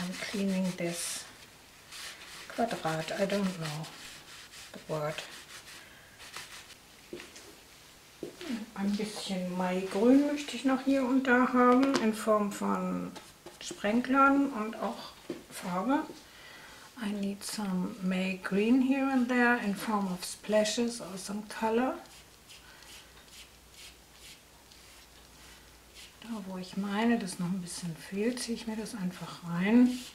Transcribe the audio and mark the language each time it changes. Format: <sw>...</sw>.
<en>Cleaning this Quadrat, I don't know the word.</en> <de>Ein bisschen Maigrün möchte ich noch hier und da haben in Form von Sprenklern und auch Farbe.</de> <en>I need some Maigrün here and there in form of splashes or some color.</en> <de>Da wo ich meine, dass noch ein bisschen fehlt, ziehe ich mir das einfach rein.</de>